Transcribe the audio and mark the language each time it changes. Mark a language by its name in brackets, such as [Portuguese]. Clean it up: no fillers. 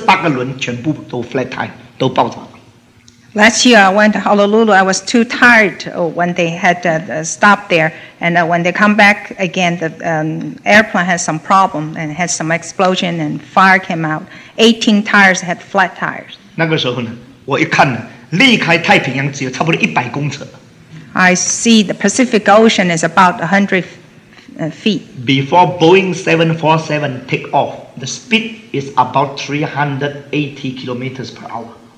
[Chinese] 去年我坐飞机呢，到这个Honolulu的时候，停下来，大家下去，我太累了，我不能动了，所以我不下去。等大家再上来，再飞的时候呢，飞不上去，在千钧一发的时候，杀机一停下来的时候呢，这个才发现一个机器烧起来了，一停下来，下面看18个轮全部都flat tire，都爆炸。 [English] Last year, I went to Honolulu. I was too tired when they had stopped there. And when they come back again, the airplane had some problem and had some explosion and fire came out. 18 tires had flat tires. [Chinese] 那个时候呢，我一看呢，离开太平洋只有差不多100公尺。 [English] I see the Pacific Ocean is about 100 feet. Before Boeing 747 take off, the speed is about 380 kilometers per hour.